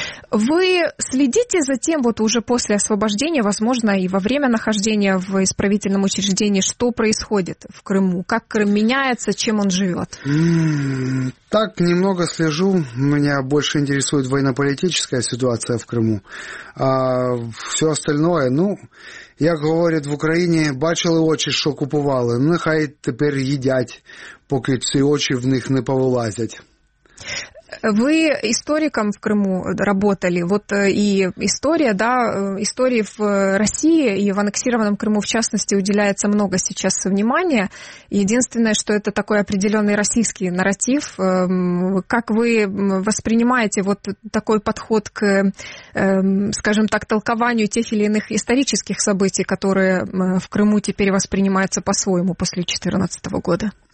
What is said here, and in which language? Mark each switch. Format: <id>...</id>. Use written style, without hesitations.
<ru>Вы следите за тем, вот уже после освобождения, возможно, и во время нахождения в исправительном учреждении, что происходит в Крыму? Как Крым меняется, чем он живет? Так, немного слежу. Меня больше интересует военно-политическая ситуация в Крыму. А все остальное, ну,</ru> <uk>як говорять в Україні, бачили очі, що купували. Нехай тепер їдять, поки ці очі в них не повилазять.</uk> <ru>Вы историком в Крыму работали, вот и история, да, истории в России и в аннексированном Крыму, в частности, уделяется много сейчас внимания. Единственное, что это такой определенный российский нарратив. Как вы воспринимаете вот такой подход к, скажем так, толкованию тех или иных исторических событий, которые в Крыму теперь воспринимаются по-своему после 2014 года?</ru>